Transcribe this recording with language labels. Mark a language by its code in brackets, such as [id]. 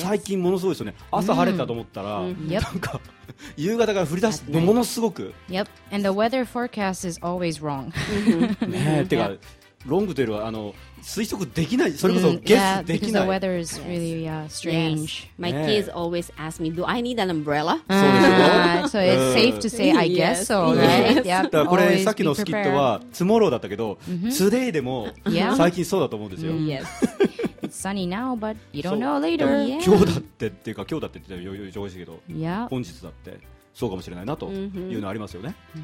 [ja] 最近ものすごいですよね。朝晴れたと思ったら、なんか夕方から降り出して、ものすごく。 [en] Yep, and the weather forecast is always wrong. [ja] ねえ、てか。Yep. ロングというよりは推測できない、それこそゲスできない。 [en] Yeah, because the weather is really、strange、 My kids always ask me, do I need an umbrella? So it's safe to say I guess so, right? [ja] Yep, だからこれさっきのスキットは tomorrow だったけど、today でも最近そうだと思うんですよ。 [en] Yes, it's sunny now, but you don't know later. [ja] 今日だってっていうか、今日だってって言ってたら忙しいけど、本日だってそうかもしれないなというのありますよね。